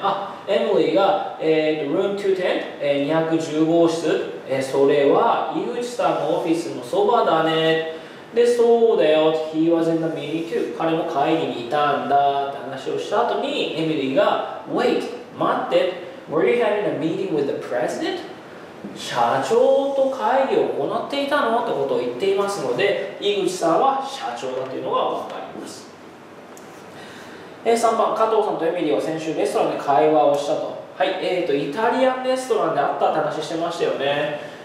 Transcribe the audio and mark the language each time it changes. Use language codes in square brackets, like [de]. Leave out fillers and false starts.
[ja] あ、エミリーが、Room 210、215室、それは井口さんのオフィスのそばだね。で、そうだよって、 [en] He was in the meeting too。 [ja] 彼も会議にいたんだって話をした後に、エミリーが、Wait、待って。 [en] Were you having a meeting with the president? [ja] 社長と会議を行っていたのってことを言っていますので、井口さんは社長だというのが分かります。 3番、加藤さんとエミリーは先週レストランで会話をしたと。はい、イタリアンレストランで会ったって話してましたよね。